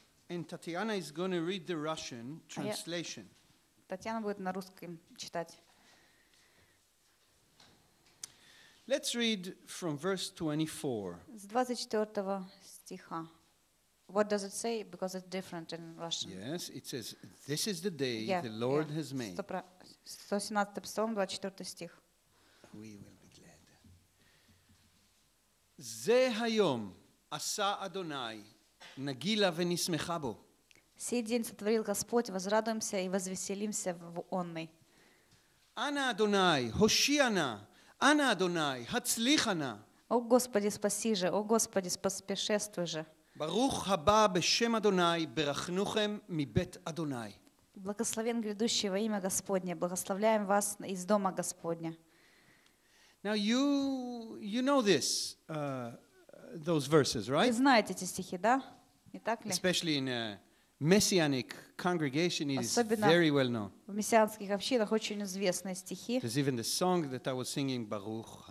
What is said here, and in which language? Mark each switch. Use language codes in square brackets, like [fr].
[en] And Tatiana is going to read the Russian translation. [ru] Татьяна будет на русском читать. [en] Let's read from verse 24. [ru] С 24 стиха. [en] What does it say? Because it's different in Russian. Yes, it says, "This is the day the Lord has made." [ru] 117 псалом, 24 стих. [en] We will. [he] זה היום עשה אדוני נגילה ונשמחה בו. [ru] Сей день сотворил Господь, возрадуемся и возвеселимся в онной. [he] אנא אדוני, הושיע נא, אנא אדוני, הצליחה נא. [ru] О Господи, спаси же, о Господи, поспешествуй же. [he] ברוך הבא בשם אדוני, ברכנוכם מבית אדוני. [ru] Благословен грядущий во имя Господне, благословляем вас из дома Господня. [en] Now you know this those verses, right? [ru] Вы знаете эти стихи, да? Не так ли? [en] Especially in a messianic congregation, it is very well known. [ru] В мессианских общинах очень известные стихи. [en] There's even the song that I was singing, Baruch